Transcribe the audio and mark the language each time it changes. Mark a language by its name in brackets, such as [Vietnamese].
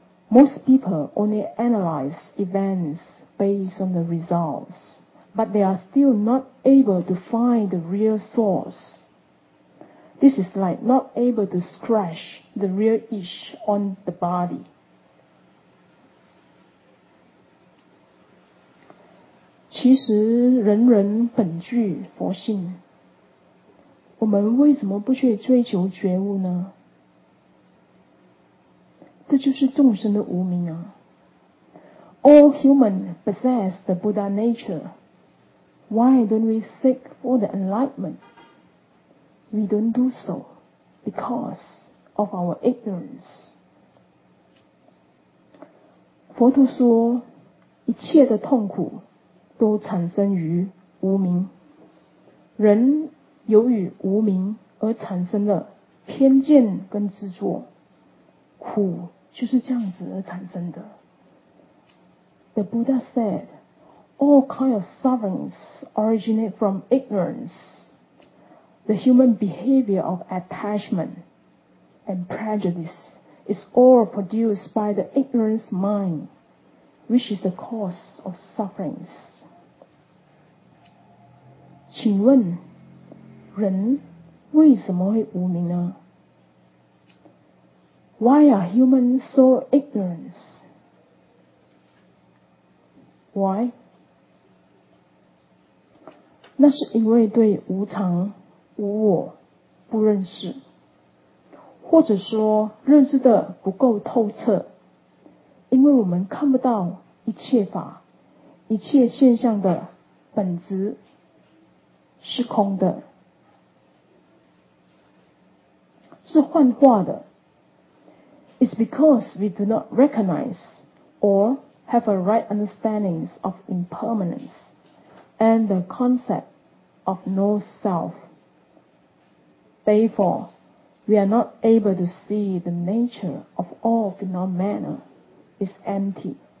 [English] Most people only analyze events based on the results, but they are still not able to find the real source. This is like not able to scratch the real itch on the body. [Chinese] 其实人人本具佛性，我们为什么不去追求觉悟呢？这就是众生的无明啊。 [English] All humans possess the Buddha nature. Why don't we seek for the enlightenment? We don't do so because of our ignorance. [Chinese] 佛陀说，一切的痛苦都产生于无明，人由于无明而产生了偏见跟执着，苦就是这样子而产生的。 [English] The Buddha said, all kinds of sufferings originate from ignorance, the human behavior of attachment and prejudice. It's all produced by the ignorant mind, which is the cause of sufferings. [Chinese] 请问，人为什么会无明呢？ [English] Why are humans so ignorant? Why? [Chinese] 那是因为对无常、无我不认识。或者说认识的不够透彻，因为我们看不到一切法、一切现象的本质是空的，是幻化的。 [English] It's because we do not recognize or have a right understanding of impermanence and the concept of no self. Therefore,We are not able to see the nature of all phenomena is empty.